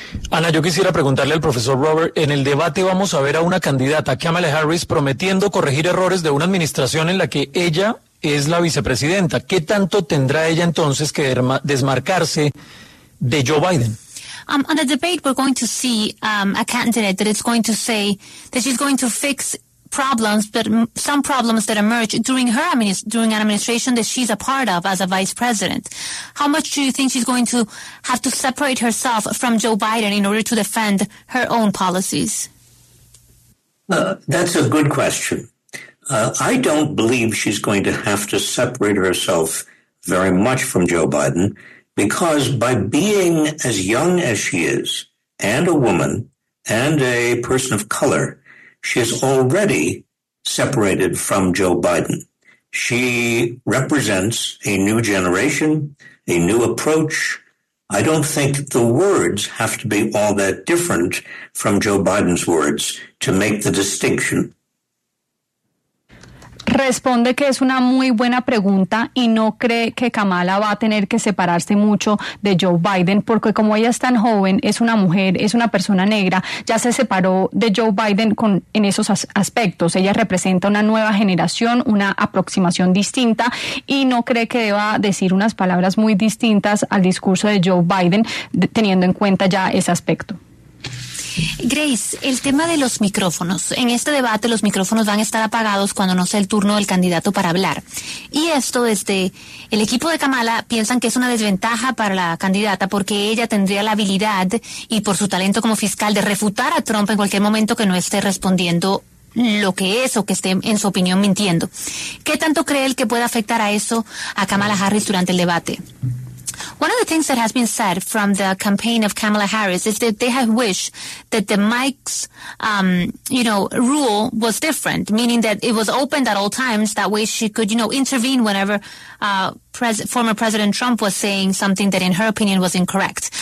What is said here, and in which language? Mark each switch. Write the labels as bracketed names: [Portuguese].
[Spanish] Ana, yo quisiera preguntarle al profesor Robert, en el debate vamos a ver a una candidata, Kamala Harris, prometiendo corregir errores de una administración en la que ella es la vicepresidenta. ¿Qué tanto tendrá ella entonces que desmarcarse de Joe Biden? [English] On the debate we're going to see a candidate that is going to say that she's going to fix problems, but some problems that emerge during her during an administration that she's a part of as a vice president. How much do you think she's going to have to separate herself from Joe Biden in order to defend her own policies? That's a good question. I don't believe she's going to have to separate herself very much from Joe Biden. Because by being as young as she is, and a woman, and a person of color, she is already separated from Joe Biden. She represents a new generation, a new approach. I don't think the words have to be all that different from Joe Biden's words to make the distinction. [Spanish] Responde que es una muy buena pregunta y no cree que Kamala va a tener que separarse mucho de Joe Biden, porque como ella es tan joven, es una mujer, es una persona negra, ya se separó de Joe Biden en esos aspectos. Ella representa una nueva generación, una aproximación distinta, y no cree que deba decir unas palabras muy distintas al discurso de Joe Biden, teniendo en cuenta ya ese aspecto. Grace, el tema de los micrófonos. En este debate los micrófonos van a estar apagados cuando no sea el turno del candidato para hablar. Y esto desde el equipo de Kamala piensan que es una desventaja para la candidata porque ella tendría la habilidad y por su talento como fiscal de refutar a Trump en cualquier momento que no esté respondiendo lo que es o que esté en su opinión mintiendo. ¿Qué tanto cree él que puede afectar a eso a Kamala Harris durante el debate? [English] One of the things that has been said from the campaign of Kamala Harris is that they have wished that the mic's, rule was different, meaning that it was opened at all times. That way she could, you know, intervene whenever former President Trump was saying something that, in her opinion, was incorrect.